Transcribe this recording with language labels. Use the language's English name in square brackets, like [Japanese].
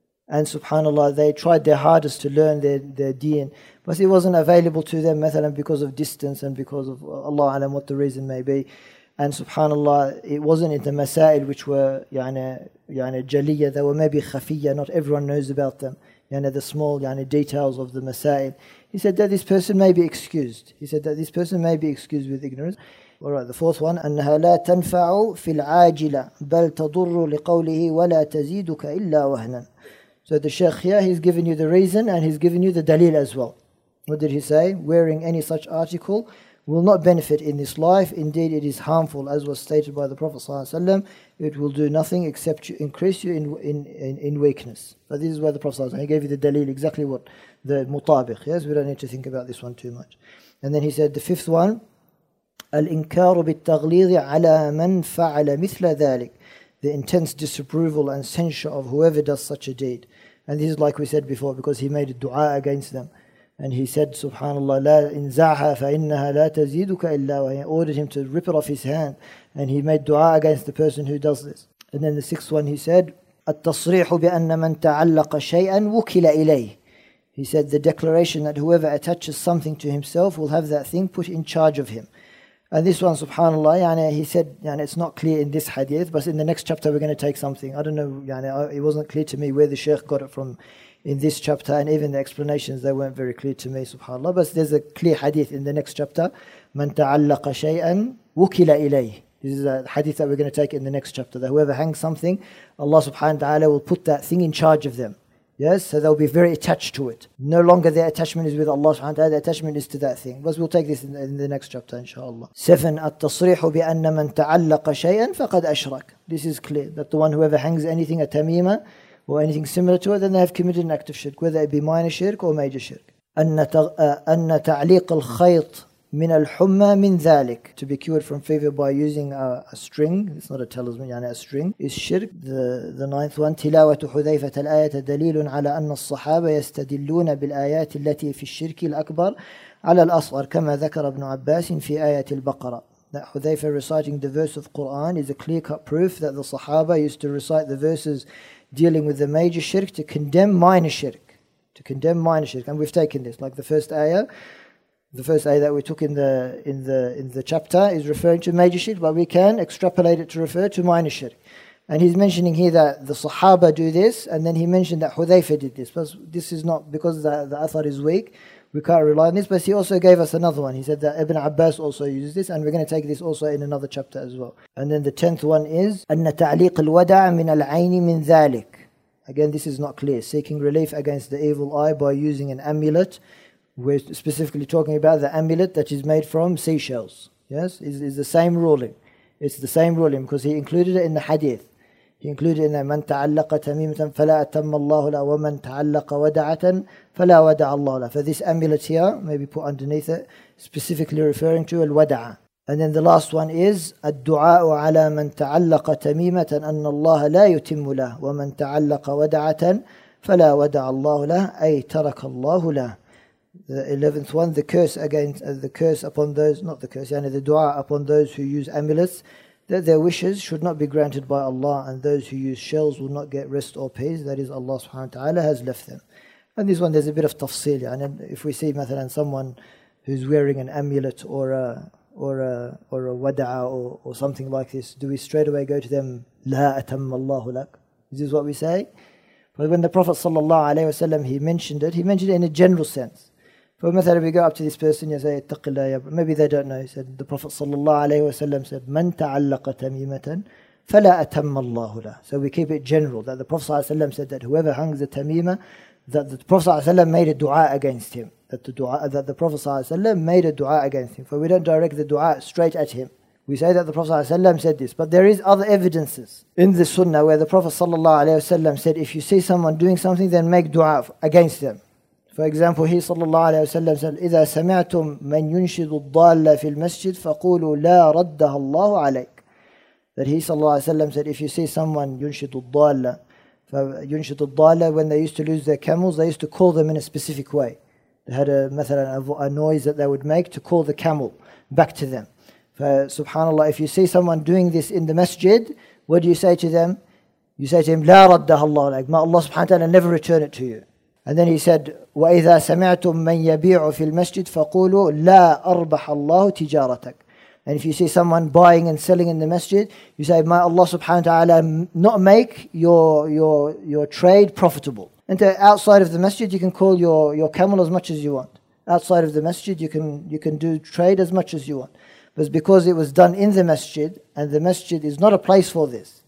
[English] And subhanAllah, they tried their hardest to learn their deen, but it wasn't available to them, مثلاً, because of distance and because of Allah alam what the reason may be. And subhanAllah, it wasn't in the masail which were jaliyya, they were maybe khafiyya, not everyone knows about them. The small details of the masail. He said that this person may be excused. With ignorance. All right, the fourth one, [Arabic] أَنَّهَا لَا تَنْفَعُ فِي الْعَاجِلَةِ بَلْ تَضُرُّ لِقَوْلِهِ وَلَا تَزِيدُكَ إِلَّا وَهْنًا. [English] So the Shaykh here, he's given you the reason and he's given you the dalil as well. What did he say? Wearing any such article will not benefit in this life. Indeed, it is harmful, as was stated by the Prophet ﷺ. It will do nothing except to increase you in weakness. But this is where the Prophet ﷺ, he gave you the dalil, exactly what the mutabiq. Yes, we don't need to think about this one too much. And then he said the fifth one, [Arabic] الإنكار بالتغليظ على من فعل مثل ذلك. [English] the intense disapproval and censure of whoever does such a deed. And this is like we said before, because he made a dua against them. And he said, [Arabic] subhanAllah, لَا إِنْزَاحَ فَإِنَّهَا لَا تَزِيدُكَ إِلَّا وَهِيَ. [English] He ordered him to rip it off his hand. And he made dua against the person who does this. And then the sixth one, he said, [Arabic] التصريح بأن من تعلق شيئا وكل إليه. [English] He said the declaration that whoever attaches something to himself will have that thing put in charge of him. And this one, subhanAllah, يعني, he said, يعني, it's not clear in this hadith, but in the next chapter we're going to take something. I don't know, يعني, it wasn't clear to me where the Shaykh got it from in this chapter, and even the explanations, they weren't very clear to me, subhanAllah. But there's a clear hadith in the next chapter. [Arabic] مَن تَعَلَّقَ شَيْئًا وُكِلَ إِلَيْهِ. [English] This is a hadith that we're going to take in the next chapter, that whoever hangs something, Allah subhanahu wa ta'ala will put that thing in charge of them. Yes, so they'll be very attached to it. No longer their attachment is with Allah subhanahu wa ta'ala, their attachment is to that thing. But we'll take this in the next chapter, inshaAllah. 7. [Arabic] At-tasrihu bi-anna man ta'allaqa shay'an faqad ashrak. [English] This is clear, that the one whoever hangs anything, a tamima, or anything similar to it, then they have committed an act of shirk, whether it be minor shirk or major shirk. [Arabic] أَنَّ تَعْلِيقَ الْخَيْطِ من الحمى من ذلك. [English] To be cured from fever by using a string, it's not a talisman, يعني a string, is shirk. The ninth one, [Arabic] تلاوة حذيفة الآية دليل على أن الصحابة يستدلون بالآيات التي في الشرك الأكبر على الأصغر كما ذكر ابن عباس في آية البقرة. [English] That حذيفة reciting the verse of Quran is a clear cut proof that the Sahaba used to recite the verses dealing with the major shirk to condemn minor shirk. To condemn minor shirk. And we've taken this, like the first ayah. The first ayah that we took in the chapter is referring to major shirk, but we can extrapolate it to refer to minor shirk. And he's mentioning here that the Sahaba do this, and then he mentioned that Hudhayfa did this. But this is not because the athar is weak, we can't rely on this, but he also gave us another one. He said that Ibn Abbas also uses this, and we're going to take this also in another chapter as well. And then the tenth one is, [Arabic] أَنَّ تَعْلِيقَ الْوَدَعَ مِنَ الْعَيْنِ مِنْ ذَلِكَ. [English] Again, this is not clear. Seeking relief against the evil eye by using an amulet. We're specifically talking about the amulet that is made from seashells. Yes, is the same ruling. It's the same ruling because he included it in the hadith. He included it in [Arabic] مَنْ تَعَلَّقَ تَمِيمَةً فَلَا أَتَمَّ اللَّهُ لَهُ [English] وَمَنْ تَعَلَّقَ وَدَعَةً فَلَا وَدَعَ اللَّهُ لَهُ. For this amulet here, maybe put underneath it, specifically referring to al-wada'a. And then the last one is [Arabic] الدُّعَاءُ عَلَى مَنْ تَعَلَّقَ تَمِيمَةً أَنَّ اللَّهَ لَا يُتِمُّ لَهُ وَمَنْ تَعَلَّقَ وَدَعَةً فَلَا وَدَعَ اللَّهُ لَهُ أَيْ تَرَكَ اللَّهُ لَهُ. [English] The 11th one, the dua upon those who use amulets, that their wishes should not be granted by Allah, and those who use shells will not get rest or peace, that is Allah subhanahu wa ta'ala has left them. And this one, there's a bit of tafsil, and if we see مثلاً, someone who's wearing an amulet or a wada'a or something like this, do we straight away go to them, [Arabic] la atamma Allahu lak? [English] This is what we say. But when the Prophet sallallahu alayhi wa sallam, he mentioned it in a general sense. For مثلا, we go up to this person, you say, [Arabic] اتق الله يا ابن. [English] Maybe they don't know. He said, the Prophet [Arabic] صلى الله عليه وسلم said, من تعلق تميمة فلا أتم الله له. [English] So we keep it general, that the Prophet صلى الله عليه وسلم said that whoever hung the tamima, that the Prophet صلى الله عليه وسلم made a dua against him. That the Prophet صلى الله عليه وسلم made a dua against him. For we don't direct the dua straight at him. We say that the Prophet صلى الله عليه وسلم said this. But there is other evidences in the sunnah where the Prophet صلى الله عليه وسلم said, if you see someone doing something, then make dua against them. For example, he sallallahu alayhi wa sallam said, [Arabic] إِذَا سَمِعْتُمْ مَنْ يُنْشِدُ الضَّالَّ فِي الْمَسْجِدِ فَقُولُوا لَا رَدَّهَ اللَّهُ عَلَيْكَ. [English] That he sallallahu alayhi wa sallam said, if you see someone [Arabic] يُنْشِدُ الضَّالَّ, فَيُنْشِدُ الضَّالَّ, [English] when they used to lose their camels, they used to call them in a specific way. They had a noise that they would make to call the camel back to them. فسبحانallah, if you see someone doing this in the masjid, what do you say to them? You say to him, [Arabic] لَا رَدَّهَ اللَّهُ عَلَيْكَ. [English] May Allah subhanahu wa ta'ala never return it to you. And then he said, [Arabic] وَإِذَا سَمِعْتُمْ مَنْ يَبِيعُ فِي الْمَسْجِدِ فَقُولُوا لَا أَرْبَحَ اللَّهُ تِجَارَتَكَ. [English] And if you see someone buying and selling in the masjid, you say, may Allah subhanahu wa ta'ala not make your trade profitable. And outside of the masjid, you can call your camel as much as you want. Outside of the masjid, you can do trade as much as you want. But it's because it was done in the masjid, and the masjid is not a place for this.